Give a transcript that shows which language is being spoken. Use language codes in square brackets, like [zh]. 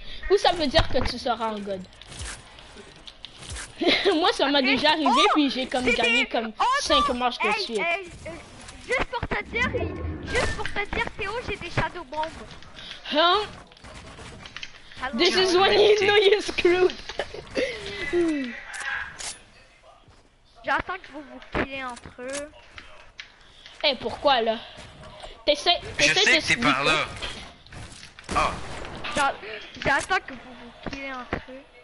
[fr] Ou ça veut dire que tu seras un god. Moi, ça m'a déjà arrivé, puis j'ai comme gagné comme 5 marches dessus. Juste pour te dire, Théo, j'ai des shadow bombs. Hein? [en] This is when you know you're screwed. [fr] J'attends que vous vous killez entre eux. Eh, hey, pourquoi là? T'essaies je sais que c'est par là. Oh. J'attends que vous vous killez entre eux.